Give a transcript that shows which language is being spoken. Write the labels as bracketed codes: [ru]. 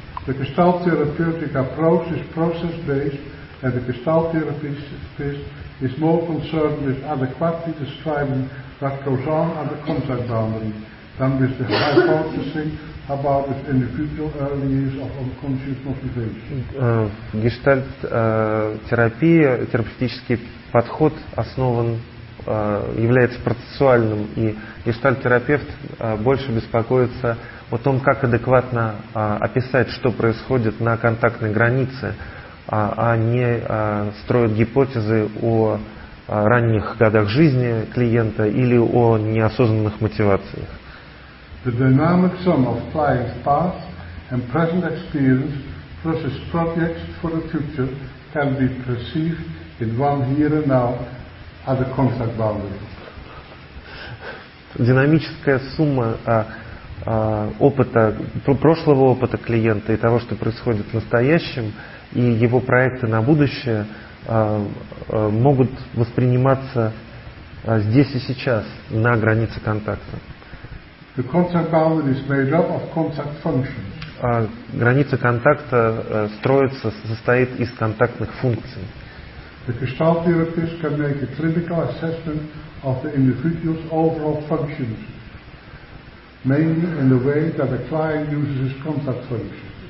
[en] The gestalt therapeutic approach is process-based, and the gestalt therapist is more concerned with adequately describing what goes on at the contact boundary than with the hypothesizing about its individual early years of unconscious motivation. [ru] Гештальт-терапия, терапевтический подход основан, является процессуальным, и гештальт-терапевт больше беспокоится о том, как адекватно описать, что происходит на контактной границе, а не строит гипотезы о ранних годах жизни клиента или о неосознанных мотивациях. [en] The dynamic sum of client's past and present experience versus projects for the future can be perceived in one here and now at the contact boundary. [ru] Динамическая сумма опыта, прошлого опыта клиента и того, что происходит в настоящем, и его проекты на будущее могут восприниматься здесь и сейчас, на границе контакта. [en] The contact boundary is made up of contact functions. [ru] Граница контакта строится, состоит из контактных функций. [en] The gestalt therapist can make a clinical assessment of the individual's overall functions, mainly in the way that the client uses his contact function.